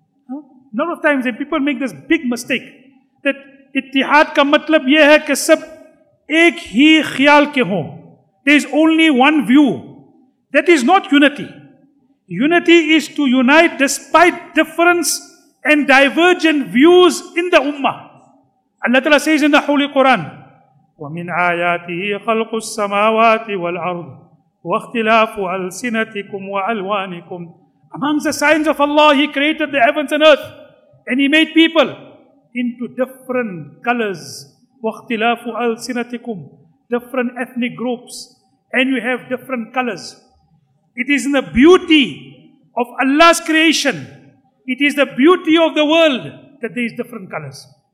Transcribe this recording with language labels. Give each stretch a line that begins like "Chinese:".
English: A lot of times people make this big mistake that
Urdu: ittihad ka matlab ye hai ke sab ek hi khyal ke ho.
English: There is only one view. That is not unity. Unity is to unite despite difference and divergent views in the ummah. Allah Ta'ala says in the Holy Quran,
Arabic: وَمِنْ آيَاتِهِ خَلْقُ السَّمَاوَاتِ وَالْأَرْضِ وَاخْتِلَافُ أَلْسِنَتِكُمْ وَأَلْوَانِكُمْ.
English: Among the signs of Allah, He created the heavens and earth, and He made people into different colors.
Arabic: وَاخْتِلَافُ أَلْسِنَتِكُمْ.
English: Different ethnic groups, and you have different colors. It is in the beauty of Allah's creation, it is the beauty of the world that there is different colors.